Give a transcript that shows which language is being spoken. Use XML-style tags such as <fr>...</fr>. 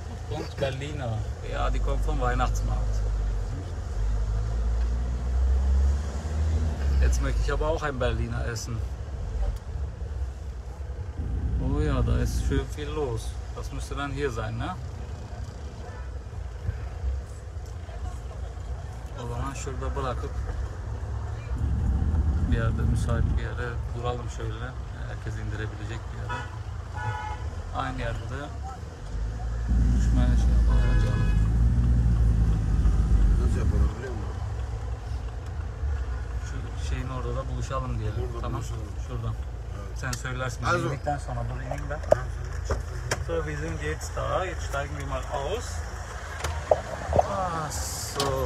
<de>Und Berliner. Ja, die kommen vom Weihnachtsmarkt. Jetzt möchte ich aber auch ein Berliner essen. Oh ja, da ist schön viel los. Das müsste dann hier sein, ne?</de> <tr>Şurada bırakıp bir yerde müsait bir yere duralım şöyle. Herkes indirebilecek bir yere. Aynı yerde de düşmeye şey yapalım. Nasıl yapalım biliyor musun? Şu şeyin orada da buluşalım diyelim. Burada tamam. Buluşalım. Şuradan. Evet. Sen söylersin. Az indikten sonra burayı inin de.</tr> <de>So, wir sind jetzt da. Jetzt steigen wir mal aus. Ah, so.</de>